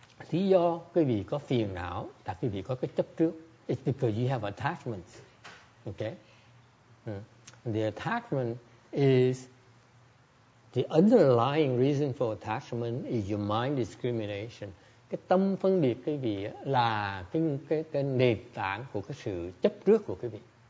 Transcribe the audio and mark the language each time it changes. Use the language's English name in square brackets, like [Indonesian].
[Vietnamese] Lý do quý vị có phiền não là quý vị có cái chấp trước. [English] It's because you have attachments. Okay? The attachment is the underlying reason for attachment is your mind discrimination. [Vietnamese] Cái tâm phân biệt quý vị là cái nền tảng của cái sự chấp trước của quý vị.